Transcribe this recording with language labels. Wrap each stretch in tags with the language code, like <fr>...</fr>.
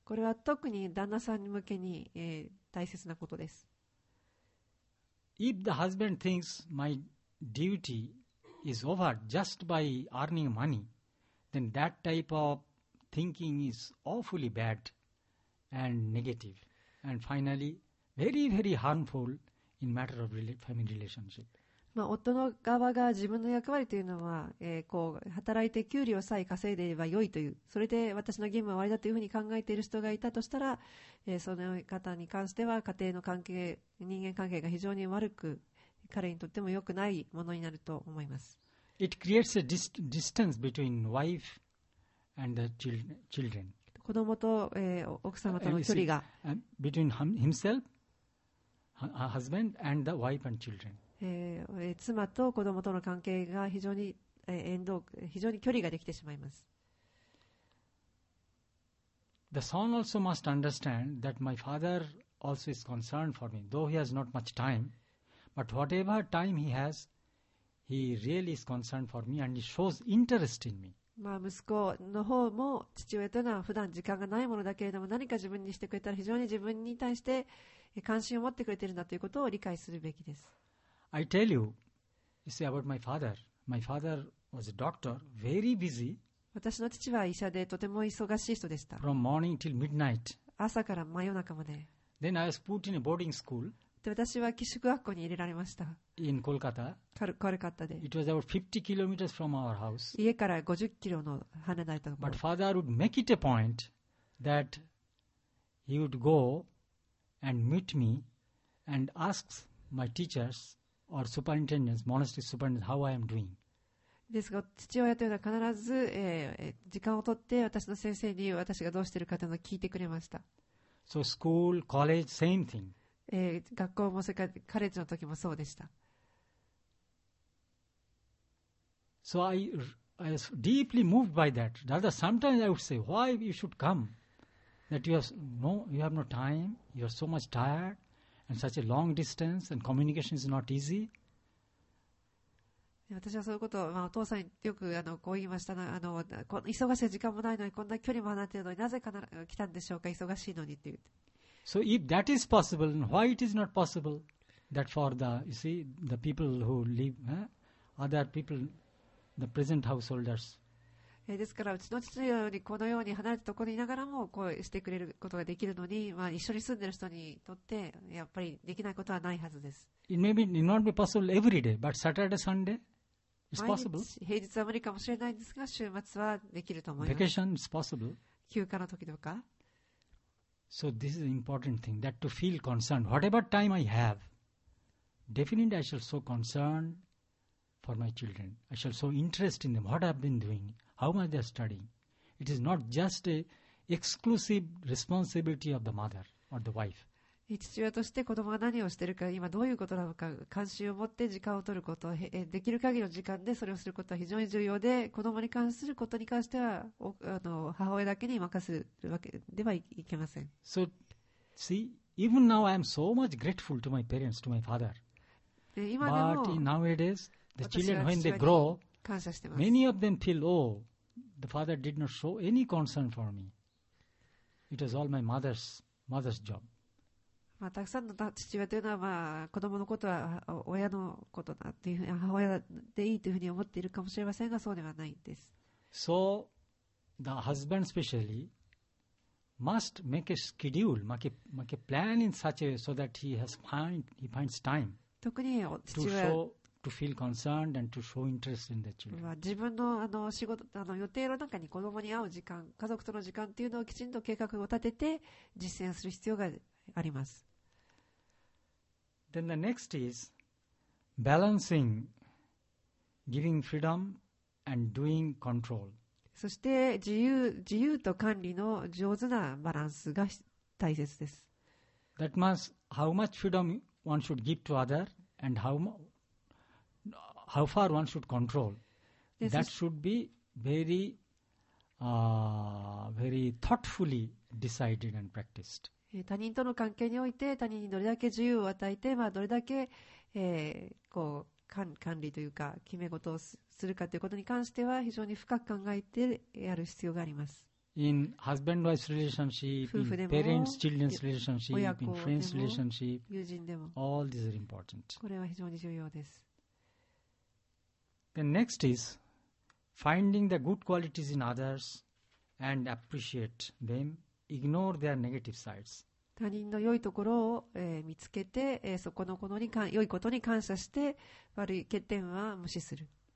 <ja>これは特に旦那さん向けに、大切なことです。</ja> <en>If the husband thinks my duty is over just by earning money, then that type of thinking is awfully bad and negative, and finally very, very harmful in matter of family relationship.</en> <ja>まあ、夫の側が自分の役割というのは、こう働いて給料さえ稼いでいれば良いという、それで私の義務は終わりだというふうに考えている人がいたとしたら、その方に関しては家庭の関係、人間関係が非常に悪く、彼にとっても良くないものになると思います。</ja> <en>It creates a distance between wife and the children.</en> <ja>子子供と、奥様との距離が</ja> <en>between himself, husband and the wife and children.</en> <ja>妻と子供との関係が非常に、非常に距離ができてしまいます。</ja> <en>The son also must understand that my father also is concerned for me, though he has not much time, but whatever time he has, he really is concerned for me and he shows interest in me.</en> <ja>まあ、息子の方も父親というのは普段時間がないものだけれども、何か自分にしてくれたら非常に自分に対して関心を持ってくれているんだということを理解するべきです。</ja> <en>I tell you, you see about my father. My father was a doctor, very busy.</en> <ja>私の父は医者でとても忙しい人でした。</ja> <en>From morning till midnight.</en> <ja>朝から真夜中まで。</ja> <en>Then I was put in a boarding school.</en> <ja>で、私は寄宿学校に入れられました。</ja> <en>In Kolkata,</en> <ja>Kolkata で。</ja> <en>It was about 50 kilometers from our house.</en> <ja>家から50キロの離れたところ。</ja> <en>But father would make it a point that he would go and meet me and ask my teachers or superintendents, monastery superintendents, how I am doing.</en> <ja>ですが、父親というのは必ず、時間を取って私の先生に私がどうしているかというのを聞いてくれました。</ja> <en>So school, college, same thing.</en> <ja>学校もそれからカレッジの時もそうでした。</ja> <en>So I was deeply moved by that. Rather, sometimes I would say, why you should come? That you have no time, you are so much tired, and such a long distance, and communication is not easy.</en> <ja>私はそういうことを、まあ、お父さんによくこう言いました。忙しい時間もないのに、こんな距離も離れているのになぜ来たんでしょうか、忙しいのにって言って。</ja> <en>So if that is possible, why it is not possible that for the, you see, the people who live, other people, the present householders.</en> <ja>ですから、うちの父のようにこのように離れたところにいながらもこうしてくれることができるのに、まあ、一緒に住んでいる人にとってやっぱりできないことはないはずです。</ja> <en>It may be, it not be possible every day, but Saturday, Sunday, it's possible.</en> <ja>毎日、平日は無理かもしれないんですが、週末はできると思います。</ja> <en>Vacation is possible.</en> <ja>休暇の時とか。</ja> <en>So this is an important thing, that to feel concerned. Whatever time I have, definitely I shall show concern for my children. I shall show interest in them. What I've been doing, how much they're studying. It is not just an exclusive responsibility of the mother or the wife.</en> <ja>父親として子供が何をしているか、今どういうことなのか、関心を持って時間を取ること、できる限りの時間でそれをすることは非常に重要で、子供に関することに関しては母親だけに任せるわけではいけません。</ja> <en>So, see, even now I am so much grateful to my parents, to my father.</en> <ja>で、今でも、</ja> <en>But nowadays, the children, when they grow,</en> <ja>感謝してます。</ja> <en>Many of them feel, oh, the father did not show any concern for me. It was all my mother's job.</en> <ja>まあ、たくさんの父親というのは、まあ、子供のことは親のことだというふうに、母親でいいというふうに思っているかもしれませんが、そうではないです。</ja> <en>So, the husband especially must make a schedule, make a plan in such a way so that he finds time</en> <ja>特に父親</ja> <en>to feel concerned and to show interest in the children.</en> <ja>自分の仕事、予定の中に子供に会う時間、家族との時間というのをきちんと計画を立てて実践する必要があります。</ja> <en>Then the next is balancing, giving freedom and doing control.</en> <ja>そして自由と管理の上手なバランスが大切です。</ja> <en>That means how much freedom one should give to other and how far one should control. That should be very thoughtfully decided and practiced.</en> <ja>他人との関係において他人にどれだけ自由を与えて、まあ、どれだけ、こう管理というか決め事をするかということに関しては非常に深く考えてやる必要があります。</ja> <en>In husband-wife relationship,</en> <ja>夫婦でも</ja> <en>parents-children's relationship,</en> <ja>親子でも</ja> <en>friends relationship,</en> <ja>友人でも</ja> <en>All these are important.</en> <ja>これは非常に重要です。</ja> <en>The next is finding the good qualities in others and appreciate themIgnore their negative sides.</en> <ja>他人の良いところを、見つけて、そこのことに良いことに感謝して、悪い欠点は無視する。</ja>